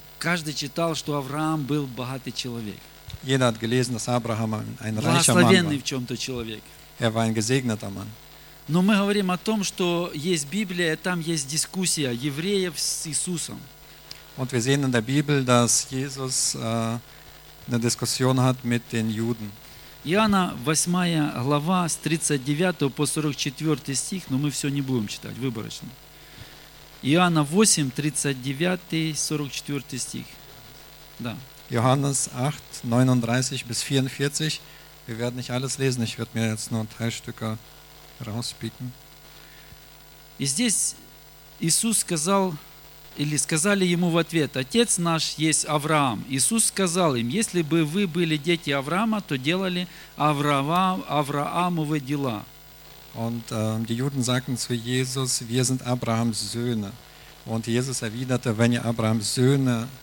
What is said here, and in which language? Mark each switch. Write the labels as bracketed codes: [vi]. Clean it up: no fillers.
[ru] Каждый читал, что Авраам был богатый человек. [de] Jeder hat gelesen, dass Abraham ein reicher Mann war. [ru] Благословенный в чем-то человек. [de] Er war ein gesegneter Mann. [ru] Но мы говорим о том, что есть Библия, там есть дискуссия евреев с Иисусом. [de] Und wir sehen in der Bibel, dass Jesus eine Diskussion hat mit den Juden. [ru] Иоанна 8 глава с 39 по 44 стих, но мы все не будем читать, выборочно. Иоанна 8, 39, 44 стих. Да. [de] Johannes 8, 39 bis 44. Wir werden nicht alles lesen, ich werde mir jetzt nur Teilstücke rauspicken. [ru] И здесь Иисус сказал, или сказали ему в ответ, «Отец наш есть Авраам». Иисус сказал им, «Если бы вы были дети Авраама, то делали Аврааму вы дела». [de] Und die Juden sagten zu Jesus, wir sind Abrahams Söhne. Und Jesus erwiderte, wenn ihr Abrahams Söhne